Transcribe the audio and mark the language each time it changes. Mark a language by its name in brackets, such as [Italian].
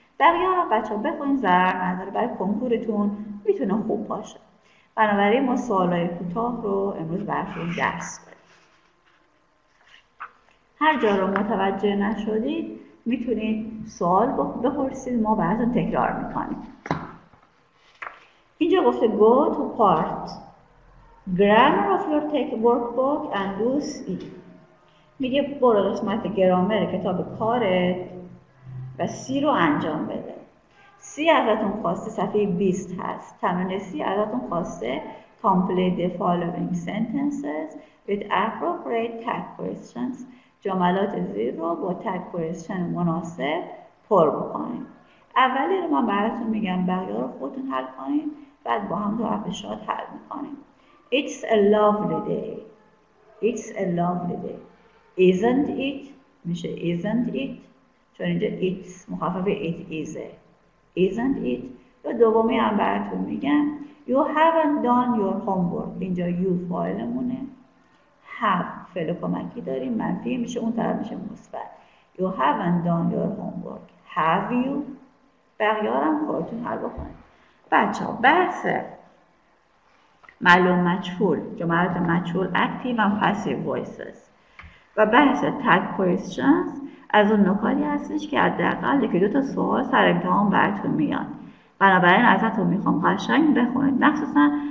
[Persian] بقیه رو بچه ها بخونید، ضرر نداره، برای کنکورتون میتونه خوب باشه. بنابراین ما سوالای کوتاه رو امروز براتون درس داریم. هر جا رو متوجه نشدید میتونید سوال بپرسید، ما براتون تکرار میکنیم. اینجا گفته go to part grammar of your tech workbook and do see. میگه برو قسمت گرامر کتاب کارت و سی رو انجام بده. سی ازتون خواسته صفحه 20 هست. تمرین سی ازتون خواسته complete the following sentences with appropriate tag questions. جملات زیر رو با tag question مناسب پر بکنید. اولی رو من براتون میگم، بقیه رو خودتون حل کنید، بعد با هم دو افشاد حل میکنید. [English] It's a lovely day. It's a lovely day. Isn't it? [Persian] میشه isn't it؟ چون اینجا it's مخفف it is. [English] Isn't it? [Persian] و دومی هم براتون میگم You haven't done your homework. اینجا you فاعلمونه. Have فعل کمکی داریم، منفی میشه، اون طرف میشه مثبت. [English] You haven't done your homework. [Persian] Have you? بقیه هم خودتون حل بکنید. بچه ها بحث معلوم مجهول، جملات مجهول active and passive voices و بحث tag questions از اون نکاتی هستش که حداقل یکی دو تا سوال سر امتحان براتون میاد. بنابراین ازتون میخوام قشنگ بخونید، مخصوصا